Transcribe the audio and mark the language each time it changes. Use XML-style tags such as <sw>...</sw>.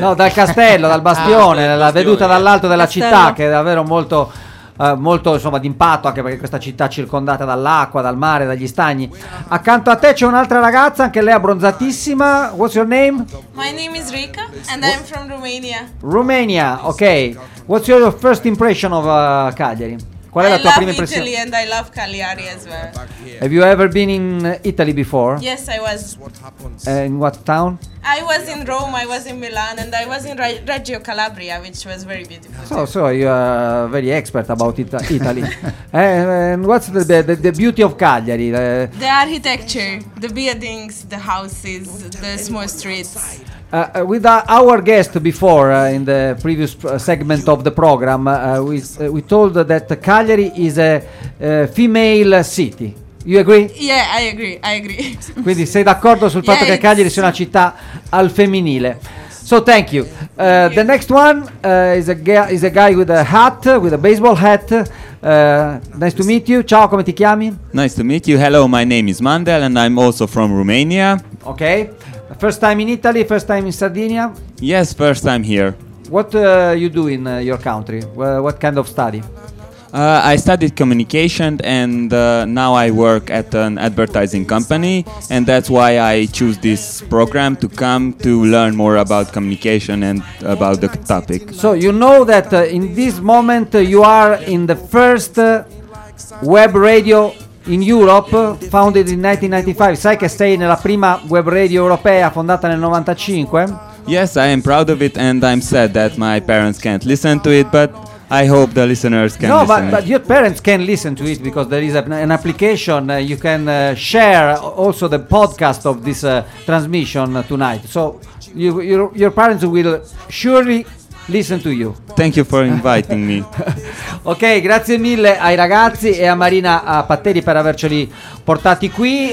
<it>No, dal castello, dal bastione, la veduta dall'alto della città, che è davvero molto... molto insomma d'impatto, anche perché questa città è circondata dall'acqua, dal mare, dagli stagni. Accanto a te c'è un'altra ragazza, anche lei abbronzatissima.</it> <en>What's your name? My name is Rika and I'm from Romania. Romania, ok. What's your first impression of Cagliari?</en> <it>Qual è</it> <en>I</en> <it>la tua prima impressione?</it> <en>I love Italy and I love Cagliari as well. Have you ever been in Italy before? Yes, I was. In what town? I was in Rome, I was in Milan and I was in Reggio Calabria, which was very beautiful. So, so you are very expert about Italy. And what's the beauty of Cagliari? The architecture, the buildings, the houses, the small streets. With our guest before, in the previous segment of the program, we told that Cagliari is a female city. You agree? Yeah, I agree.</en> <it>Quindi sei d'accordo sul fatto che Cagliari sia una città al femminile.</it> <en>So thank you. The next one is a guy with a hat, with a baseball hat. Nice to meet you.</en> <it>Ciao, come ti chiami?</it> <en>Nice to meet you. Hello, my name is Mandel and I'm also from Romania. Okay. First time in Italy, first time in Sardinia? Yes, first time here. What you do in your country? What kind of study? I studied communication and now I work at an advertising company, and that's why I choose this program to come to learn more about communication and about the topic. So you know that in this moment you are in the first web radio in Europe, founded in 1995.</en> <it>Sai che sei nella prima web radio europea, fondata nel 95?</it> <en>Yes, I am proud of it and I'm sad that my parents can't listen to it, but I hope the listeners can listen. No, but your parents can listen to it because there is an application. You can share also the podcast of this transmission tonight. So your parents will surely listen to you. Thank you for inviting me.</en> <it>Ok, grazie mille ai ragazzi e a Marina Patteri per averceli portati qui.</it>